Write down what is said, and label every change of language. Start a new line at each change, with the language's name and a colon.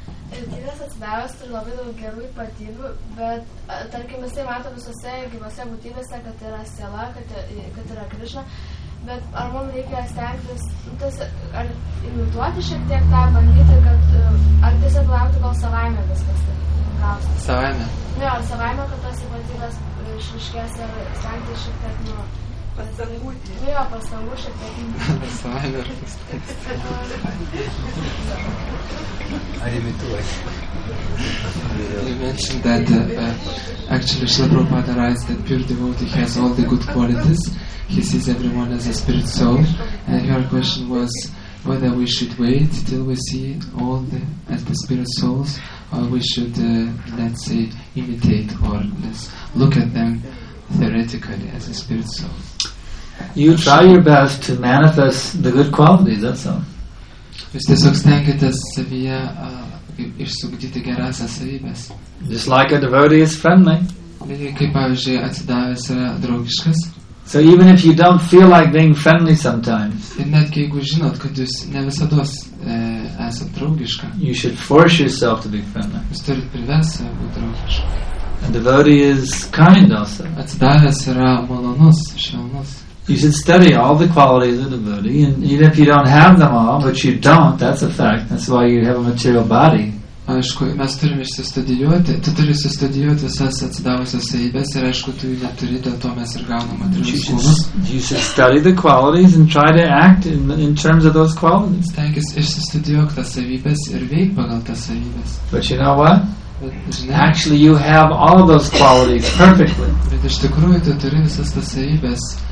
Lithuanian: Ilgybės atsidavęs turi labai daug gerų ypatybių, bet tarkim, jisai mato visose gyvose būtybėse, kad yra siela, kad yra Krišna, bet ar man reikia stengtis, ar imituoti šiek tiek tą, bandyti, kad ar tiesiog laukti, kol savaime viskas tai gausia? Savaime? Ne, ar savaime, kad tas ypatybės išriškės ir stengtis šiek tiek nuo...
English: You mentioned that actually Srila Prabhupada writes that pure devotee has all the good qualities. He sees everyone as a spirit soul. And your question was whether we should wait till we see all the as the spirit souls, or we should let's say imitate or let's look at them theoretically as a spirit soul. You try your best to manifest the good qualities, that's all.
Lithuanian: Jūs tiesiog stengiatės savyje išsugdyti gerąsias savybes.
English: Just like a devotee is friendly.
Lithuanian: Lygiai kaip, pavyzdžiui, atsidavęs yra draugiškas.
English: So even if you don't feel like being friendly sometimes,
Lithuanian: ir netgi jeigu žinot, kad jūs ne visados esat draugiška,
English: you should force yourself to be friendly.
Lithuanian: Jūs turit privesti save būti draugiška.
English: A devotee is kind also.
Lithuanian: Atsidavęs yra malonus, švelnus.
English: You should study all the qualities of the devotee, and even if you don't have them all, but you don't, that's a fact. That's why you have a material body.
Lithuanian: Aišku, mes turime išsistudijuoti, tu turi išsistudijuoti visas atsidavusias savybes, ir aišku, tu jų neturi, dėl to mes ir gaunam materialius kūnus.
English: You should study the qualities and try to act in terms of those qualities.
Lithuanian: Stengis išsistudijuok tas savybes ir veik pagal tas savybes.
English: But you know what? But actually, you have all of those qualities perfectly.
Lithuanian: Bet iš tikrųjų, tu turi visas tas savybes.